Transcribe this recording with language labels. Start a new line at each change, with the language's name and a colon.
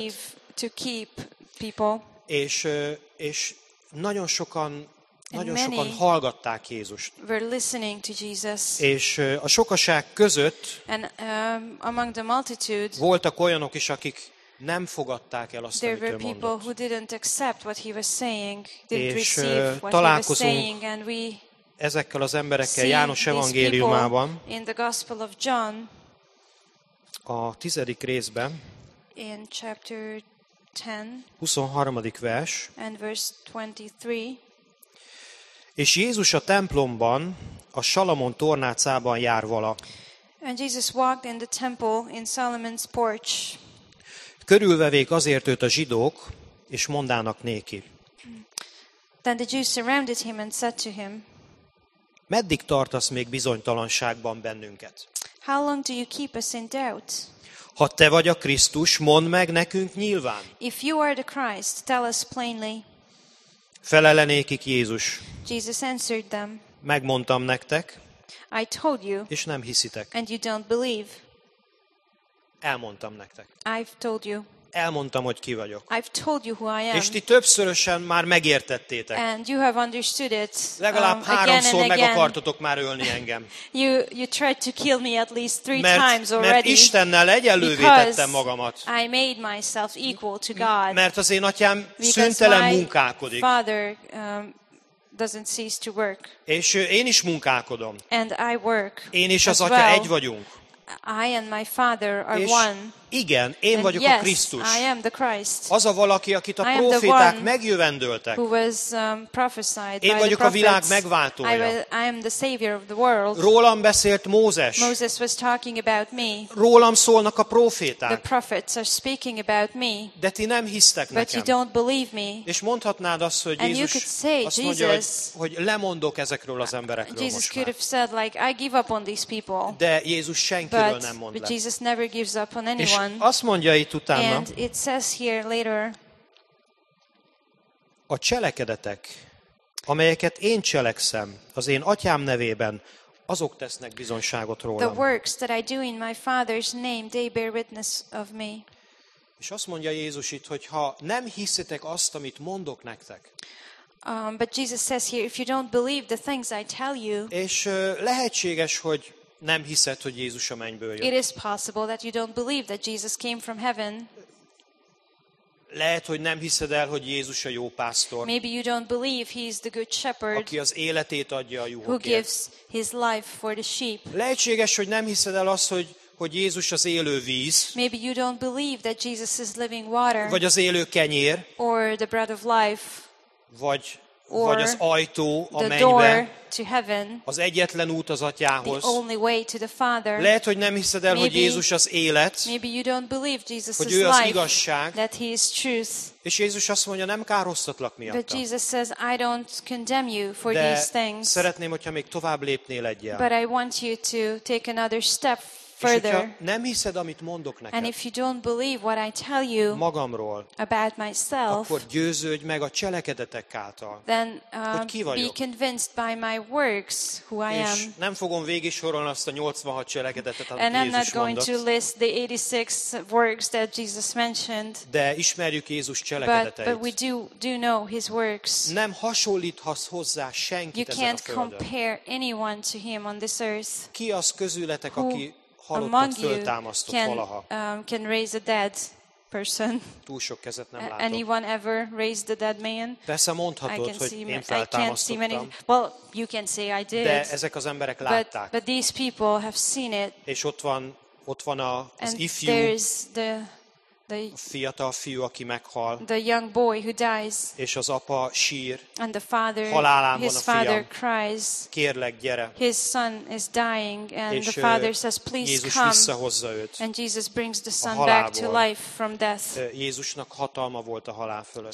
English: Save, to keep people.
Hungarian: És nagyon sokan nagyon sokan hallgatták Jézust.
English: Were listening to Jesus.
Hungarian: És a sokaság között
English: and, among the multitude,
Hungarian: voltak olyanok is, akik nem fogadták el azt, amit ő mondott.
English: Who didn't accept what he was saying, didn't
Hungarian: és
English: what
Hungarian: találkozunk
English: he was saying, and we
Hungarian: ezekkel az emberekkel János evangéliumában
English: in the Gospel of John,
Hungarian: a 10. részben
English: in chapter 10,
Hungarian: 23. vers
English: and verse 23.
Hungarian: És Jézus a templomban, a Salamon tornácában jár vala.
English: And Jesus walked in the temple in Solomon's porch.
Hungarian: Körülvevék azért őt a zsidók, és mondának néki.
English: Then the Jews surrounded him and said to him,
Hungarian: meddig tartasz még bizonytalanságban bennünket?
English: How long do you keep us in doubt?
Hungarian: Ha te vagy a Krisztus, mondd meg nekünk nyilván.
English: If you are the Christ, tell us plainly.
Hungarian: Felele nékik Jézus.
English: Jesus answered them.
Hungarian: Megmondtam nektek.
English: I told you.
Hungarian: És nem hiszitek.
English: And you don't believe.
Hungarian: Elmondtam nektek.
English: I've told you.
Hungarian: Elmondtam, hogy ki vagyok.
English: I've told you who I am.
Hungarian: És ti többszörösen már megértettétek.
English: And you have understood it.
Hungarian: Legalább háromszor meg akartatok már ölni engem.
English: You tried to kill me at least three times already.
Hungarian: Mert Istennel egyenlővé tettem magamat.
English: I made myself equal to God.
Hungarian: Mert az én atyám szüntelen munkálkodik.
English: Father, doesn't cease to work.
Hungarian: És én is munkálkodom.
English: And I work.
Hungarian: Én is az
English: well.
Hungarian: Atya egy vagyunk.
English: I and my father are
Hungarian: és
English: one.
Hungarian: Igen, én
English: and
Hungarian: vagyok
English: yes,
Hungarian: a Krisztus.
English: I am the Christ.
Hungarian: Az a valaki, akit a proféták megjövendöltek.
English: Who was prophesied
Hungarian: én
English: by
Hungarian: vagyok
English: the prophets.
Hungarian: A világ megváltója.
English: I am the savior of the world.
Hungarian: Rólam beszélt Mózes.
English: Moses was talking about me.
Hungarian: Rólam szólnak a proféták.
English: The prophets are speaking about me.
Hungarian: De ti nem hisztek
English: but
Hungarian: nekem.
English: You don't believe me.
Hungarian: És mondhatnád azt, hogy
English: and
Hungarian: Jézus
English: you could say,
Hungarian: azt
English: Jesus,
Hungarian: mondja, hogy lemondok ezekről az emberekről
English: Jesus
Hungarian: most
English: could have said, like, I give up on these people.
Hungarian: De Jézus senkiről
English: but,
Hungarian: nem mond
English: but Jesus never gives up on anyone.
Hungarian: És azt mondja itt utána,
English: and it says here later,
Hungarian: a cselekedetek, amelyeket én cselekszem az én atyám nevében, azok tesznek bizonyságot rólam.
English: The works that I do in my father's name, they bear witness of me.
Hungarian: És azt mondja Jézus itt, hogy ha nem hiszitek azt, amit mondok nektek.
English: But Jesus says here, if you don't believe the things I tell you.
Hungarian: És lehetséges, hogy nem hiszed, hogy Jézus a mennyből jött.
English: It is possible that you don't believe that Jesus came from heaven.
Hungarian: Lehet, hogy nem hiszed el, hogy Jézus a jó pásztor.
English: Maybe you don't believe he is the good shepherd.
Hungarian: Aki az életét adja a juhokért.
English: Who gives his life for the sheep.
Hungarian: Lehetséges, hogy nem hiszed el azt, hogy Jézus az élő víz.
English: Maybe you don't believe that Jesus is living water.
Hungarian: Vagy az élő kenyér.
English: Or the bread of life.
Hungarian: Vagy az ajtó a mennybe.
English: The door to heaven.
Hungarian: Az egyetlen út az atyához.
English: The only way to the Father.
Hungarian: Lehet, hogy nem hiszed el, hogy Jézus az élet.
English: Maybe you don't believe Jesus is life.
Hungarian: Hogy ő az igazság.
English: That he is truth.
Hungarian: És Jézus azt mondja, nem károsztatlak miatta.
English: But Jesus says, I don't condemn you for these things.
Hungarian: De szeretném, hogyha még tovább lépnél egyel.
English: But I want you to take another step further.
Hungarian: És hogyha nem hiszed, amit mondok neked.
English: And if you don't believe what I tell you
Hungarian: magamról,
English: about myself,
Hungarian: akkor győződj meg a cselekedetek által.
English: Then
Hungarian: ki vagyok.
English: Be convinced by my works who
Hungarian: és
English: I am.
Hungarian: És nem fogom végig sorolni azt a 86 cselekedetet, amit Jézus mondott.
English: And I'm not going
Hungarian: mondott,
English: to list the 86 works that Jesus mentioned.
Hungarian: De ismerjük Jézus cselekedeteit.
English: But we do know his works.
Hungarian: Nem hasonlíthatsz hozzá senkit
English: you
Hungarian: ezen a földön.
English: You can't compare anyone to him on this earth.
Hungarian: Ki az közületek,
English: who
Hungarian: aki halottat föltámasztott valaha?
English: Can raise a dead person.
Hungarian: Túl sok kezet nem látok.
English: Anyone ever raised a dead man?
Hungarian: Persze mondhatod, hogy én feltámasztottam.
English: Well, you can say I did.
Hungarian: De ezek az emberek látták.
English: But these people have seen it.
Hungarian: És ott van az ifjú.
English: And there's the
Hungarian: fiatal fiú, aki meghal.
English: The young boy who dies.
Hungarian: És az apa sír.
English: And the father,
Hungarian: halálán
English: his
Hungarian: van a
English: father
Hungarian: fiam.
English: Cries.
Hungarian: Kérlek, gyere.
English: His son is dying and
Hungarian: és
English: the father says please
Hungarian: Jézus
English: come.
Hungarian: Jézus visszahozza őt.
English: And Jesus brings the son back to life from death.
Hungarian: Jézusnak hatalma volt a halál fölött.